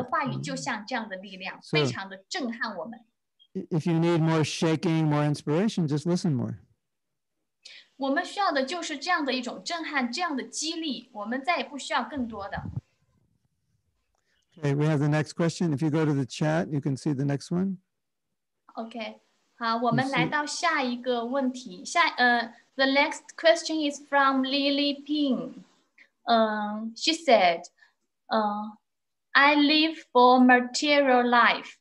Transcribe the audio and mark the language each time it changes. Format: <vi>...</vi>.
<zh>就像一个人他拽着你的这个衣，然后用非常严厉的姿态指着你。嗯，庞帕德的话语就像这样的力量，非常的震撼我们。</zh> <en>If you need more shaking, more inspiration, just listen more.</en> <zh>我们需要的就是这样的一种震撼，这样的激励。我们再也不需要更多的。Okay,</zh> <en>we have the next question. If you go to the chat, you can see the next one. Okay,</en> <zh>好，我们来到下一个问题。下，</zh> <en>the next question is from Lily Ping. She said, I live for material life.</en>